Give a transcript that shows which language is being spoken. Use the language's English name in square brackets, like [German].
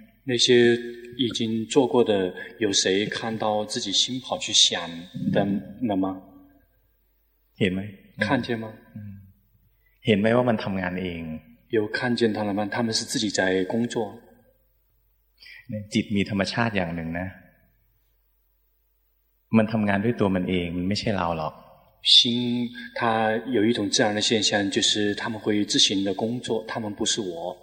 [Chinese] 那些已经做过的有谁看到自己心跑去想的了吗 [Thai] เห็นไหม [Chinese] 看见吗 [Thai] เห็นไหมว่ามันทำงานเอง [Chinese] 有看见他了吗他们是自己在工作 [Thai] จิตมีธรรมชาติอย่างหนึ่งนะมันทำงานด้วยตัวมันเองมันไม่ใช่เราหรอก [Chinese] 心它有一种自然的现象就是他们会自行的工作他们不是我